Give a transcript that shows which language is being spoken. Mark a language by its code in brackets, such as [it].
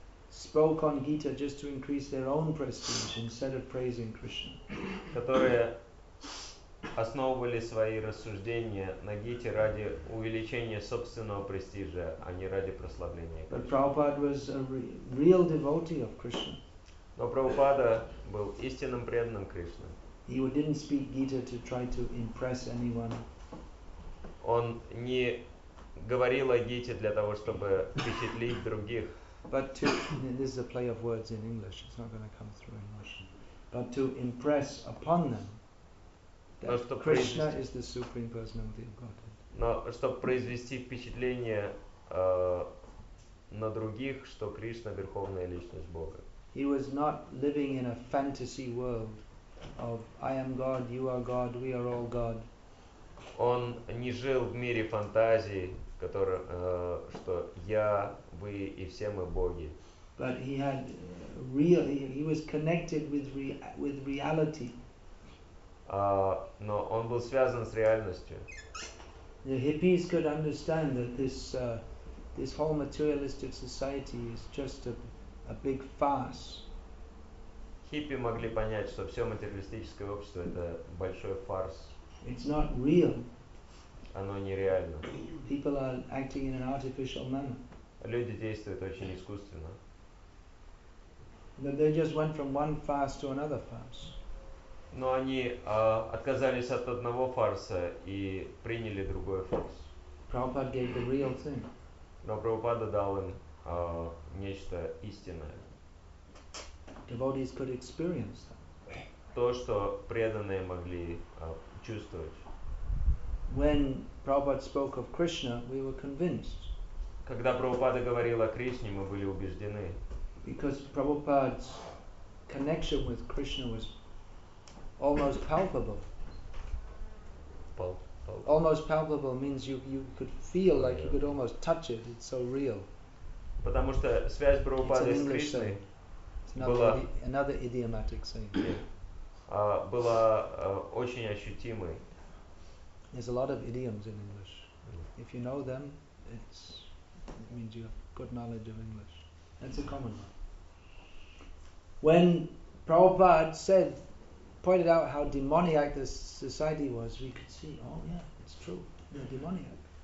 [en] Spoke on Gita just to increase their own prestige instead of praising Krishna. [ru] Которые основывали свои рассуждения на Гите ради увеличения собственного престижа, а не ради прославления Кришны. [en] But Prabhupada was a real devotee of Krishna. [ru] Но Прабхупада был истинным преданным Кришны. [en] He didn't speak Gita to try to impress anyone. [ru] Он не говорил о Гите для того, чтобы впечатлить других. [en] But to, this is a play of words in English, it's not going to come through in Russian. But to impress upon them that Krishna is the Supreme Personality of Godhead. [ru] Но чтобы произвести впечатление на других, что Кришна — Верховная Личность Бога. [en] He was not living in a fantasy world of I am God, you are God, we are all God. [ru] Он не жил в мире фантазии, который, что я, вы и все мы боги. [en] But he had he was connected with reality. [ru] Но он был связан с реальностью. [en] The hippies could understand that this whole materialistic society is just a big farce. [ru] Хиппи могли понять, что все материалистическое общество — это большой фарс. [en] It's not real. [ru] Оно нереально. [en] People are acting in an artificial manner. [ru] Люди действуют очень искусственно. [en] But they just went from one farce to another farce. [ru] Но они отказались от одного фарса и приняли другой фарс. [en] Prabhupada gave the real thing. [ru] Но Прабхупада дал им нечто истинное. [en] Devotees could experience that. [ru] То, что преданные могли чувствовать. [en] When Prabhupada spoke of Krishna, we were convinced. [ru] Когда Прабхупада говорил о Кришне, мы были убеждены. [en] Because Prabhupada's connection with Krishna was almost palpable. Almost palpable means you could feel like you could almost touch it. It's so real. [ru] Потому что связь Прабхупады с Кришной была [en] another idiomatic saying. [ru] Была очень ощутимой. [en] There's a lot of idioms in English. If you know them, it's it means you have good knowledge of English. That's a common one. When Prabhupada said, pointed out how demoniac this society was, we could see, oh yeah, it's true, they're demoniac.